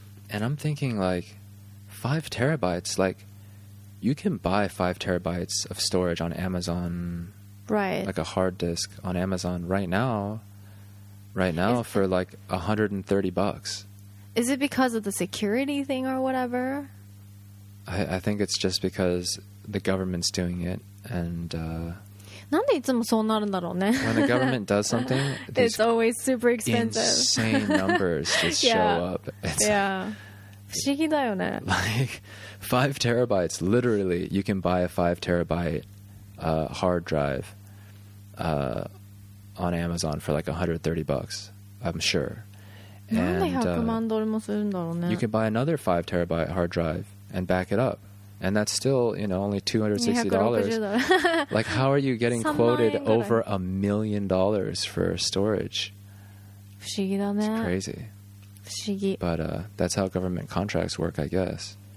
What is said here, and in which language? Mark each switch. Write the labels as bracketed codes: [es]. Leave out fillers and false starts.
[en] And I'm thinking, like, 5 terabytes, like, you can buy 5 terabytes of storage on Amazon. Right. Like a hard disk on Amazon right now for like $130. Is it because of the security thing or whatever? I think it's just because the government's doing it, and [ja] なんでいつもそうなるんだろうね? [en] When the government does something, it's always super expensive. Insane numbers just show up. [ja] It's不思議だよね。 [en] Like 5 terabytes, literally, you can buy a 5 terabyte hard drive on Amazon for like $130, I'm sure. [ja] なんで $100万もするんだろうね? [en] You can buy another 5 terabyte hard drive and back it up. And that's still, you know, only $260. Like, how are you getting quoted over $1 million for storage? [ja] 不思議だね。 [en] It's crazy. [ja] 不思議。 [en] But that's how government contracts work, I guess.